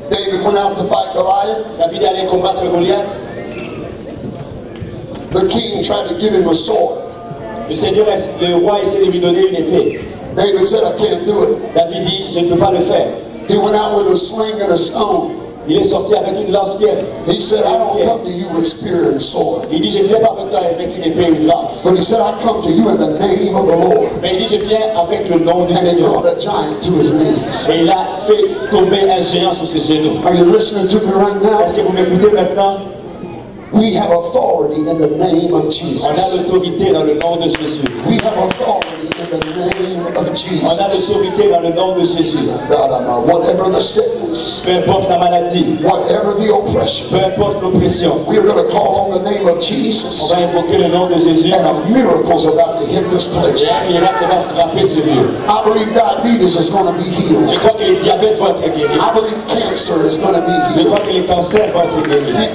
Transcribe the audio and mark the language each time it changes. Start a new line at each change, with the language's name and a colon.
English: The king tried to give him a sword.
French: le roi essaie de lui donner une épée.
English: David said, I can't do it.
French: David dit, je ne peux pas le faire.
English: He went out with a sling and a stone.
French: Il est sorti avec une lance pierre.
English: He said, I don't come to you with spear and sword.
French: Il dit, je ne viens pas avec toi avec une épée et une lance.
English: But he said, I come to you in the name of the Lord.
French: Mais il dit, je viens avec le nom du
English: and
French: Seigneur.
English: He brought a giant to his knees.
French: Et il a fait tomber un géant sur ses genoux.
English: Are you listening to me right now?
French: Est-ce que vous m'écoutez maintenant?
English: We have authority in the name of Jesus.
French: On a l'autorité dans le nom de Jésus.
English: We have authority in the name of Jesus.
French: On a l'autorité dans le nom de Jésus.
English: God, whatever the sickness,
French: peu importe la maladie,
English: whatever the oppression,
French: peu importe l'oppression,
English: we are going to call on the name of Jesus.
French: On va invoquer le nom de Jésus.
English: And a miracle is about to hit this place.
French: Et un miracle va frapper ce lieu.
English: I believe diabetes is going to be healed.
French: Je crois que le diabète va être guéri.
English: I believe cancer is going to be healed.
French: Je crois que le cancer va être guéri.